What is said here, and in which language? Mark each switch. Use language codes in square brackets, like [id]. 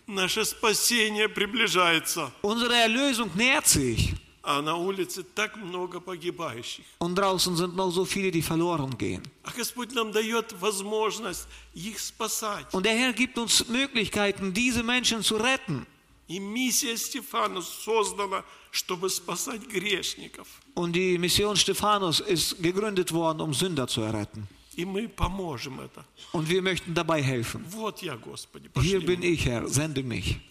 [de] Unsere Erlösung nähert sich. Und draußen sind noch so viele, die verloren gehen. Und der Herr gibt uns Möglichkeiten, diese Menschen zu retten. [ru] И миссия Стефана создана, чтобы спасать грешников. [de] Und die Mission Stephanus ist gegründet worden, um Sünder zu erretten. [ru] И мы поможем это. [de] Und wir möchten dabei helfen. [ru] Вот я, Господи, пошли. [de] Hier bin ich, Herr, sende mich.